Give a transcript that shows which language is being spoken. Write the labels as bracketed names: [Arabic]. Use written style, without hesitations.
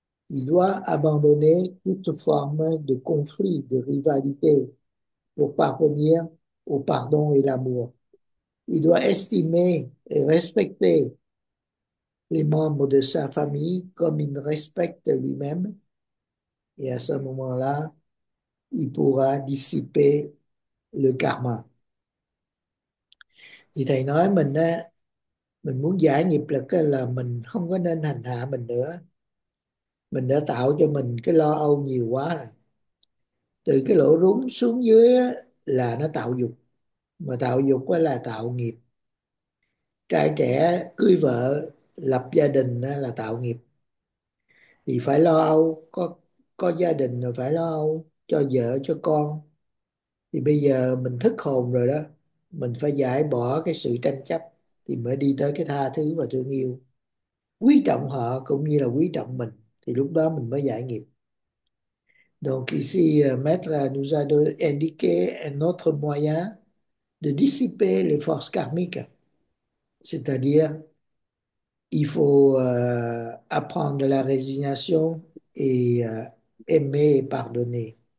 [French] Il doit abandonner toute forme de conflit, de rivalité pour parvenir au pardon et l'amour. Il doit estimer et respecter les membres de sa famille comme il respecte lui-même. Et à ce moment-là, il pourra dissiper le karma. [Vietnamese] Thì thầy nói mình muốn giải nghiệp lực là mình không có nên hành hạ mình nữa. Mình đã tạo cho mình cái lo âu nhiều quá rồi. Từ cái lỗ rúng xuống dưới là nó tạo dục. Mà tạo dục là tạo nghiệp. Trai trẻ cưới vợ, lập gia đình là tạo nghiệp. Thì phải lo âu, có gia đình rồi phải lo âu cho vợ, cho con. Thì bây giờ mình thức hồn rồi đó. Mình phải giải bỏ cái sự tranh chấp thì mới đi tới cái tha thứ và thương yêu. Quý trọng họ cũng như là quý trọng mình. Thì lúc đó mình mới giải nghiệp. [French] Donc ici, Maître nous a indiqué un autre moyen de dissiper les forces karmiques. C'est-à-dire, il faut apprendre la résignation et aimer et pardonner.